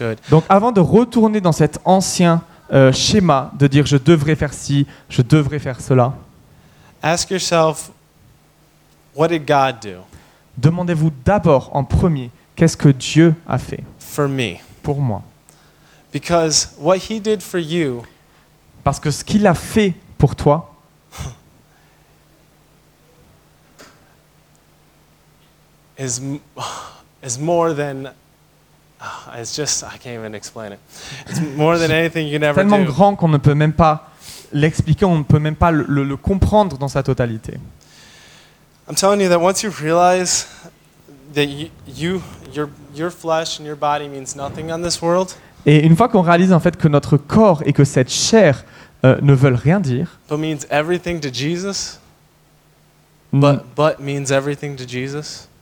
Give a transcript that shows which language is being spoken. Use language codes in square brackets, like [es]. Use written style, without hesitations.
[fr] Donc avant de retourner dans cet ancien schéma de dire je devrais faire ci, je devrais faire cela. [en] Ask yourself, what did God do? [fr] Demandez-vous d'abord en premier, qu'est-ce que Dieu a fait [en] for me. [fr] Pour moi? [en] Because what he did for you, [fr] parce que ce qu'il a fait pour toi, [en] is more than, it's just, I can't even explain it. It's more than anything you can ever do. [fr] Tellement grand qu'on ne peut même pas l'expliquer, on ne peut même pas le comprendre dans sa totalité. [en] I'm telling you that once you realize that your flesh and your body means nothing on this world. [fr] Et une fois qu'on réalise en fait que notre corps et que cette chair ne veulent rien dire. [en] But means everything to Jesus. But means everything to Jesus.